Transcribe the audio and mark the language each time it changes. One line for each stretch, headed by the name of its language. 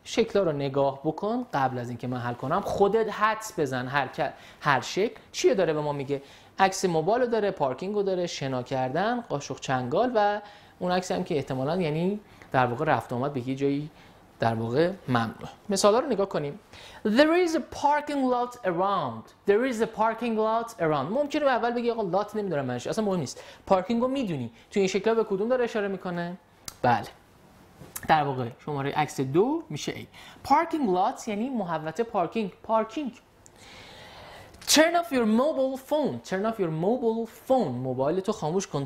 Persian: شکل رو نگاه بکن قبل از اینکه من حل کنم، خودت حدس بزن هر شکل چیه داره به ما میگه. عکس موبایل رو داره، پارکینگ رو داره، شنا کردن، قاشق چنگال، و اون عکس هم که احتمالاً یعنی در واقع رفت آمد به یه جایی در واقع ممنوع. مثال ها رو نگاه کنیم.
English: there is a parking lot around، there is a parking lot around.
Persian: ممکنه اول بگی آقا lot نمیدونم منش، اصلا مهم نیست، پارکینگ رو میدونی. تو این شکل به کدوم داره اشاره میکنه؟ بله، در واقع شماره عکس دو میشه A. parking lots یعنی محوطه پارکینگ. پارکینگ.
English: turn off your mobile phone،
Persian: turn off your mobile phone، موبایل تو خاموش کن.